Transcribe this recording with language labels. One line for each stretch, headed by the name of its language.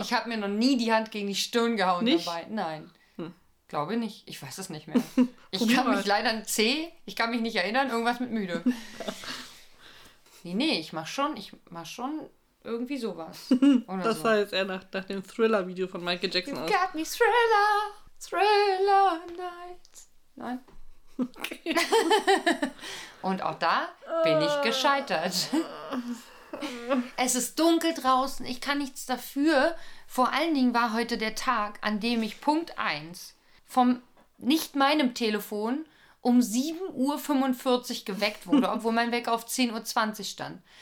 German: Ich habe mir noch nie die Hand gegen die Stirn gehauen nicht? Dabei. Nein. Glaube nicht. Ich weiß es nicht mehr. Ich kann mich leider an C, ich kann mich nicht erinnern, irgendwas mit müde. Nee, ich mach schon irgendwie sowas. Oder das so. War jetzt eher nach dem Thriller-Video von Michael Jackson.
English: You got me Thriller Nights.
German: Nein. Okay. Und auch da bin ich gescheitert. Es ist dunkel draußen, ich kann nichts dafür. Vor allen Dingen war heute der Tag, an dem ich Punkt 1 vom nicht meinem Telefon um 7.45 Uhr geweckt wurde, obwohl mein Wecker auf 10.20 Uhr stand.